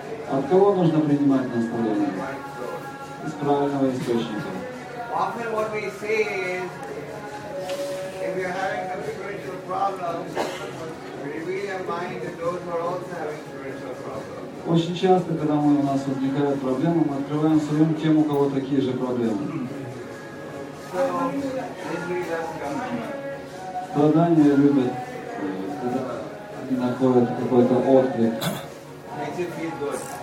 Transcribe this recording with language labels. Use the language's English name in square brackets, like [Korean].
[Russian] От кого нужно принимать наставления? Из правильного источника. [English] Often what we say is, if you're having some spiritual problems, reveal your mind to those who are also having spiritual problems. [Russian] Очень часто, когда мы у нас возникают проблемы, мы открываем свой ум тем, у кого такие же проблемы. [English] So, misery does come. [Russian] Страдания любят, когда находят какой-то отклик. [English] Makes you feel good.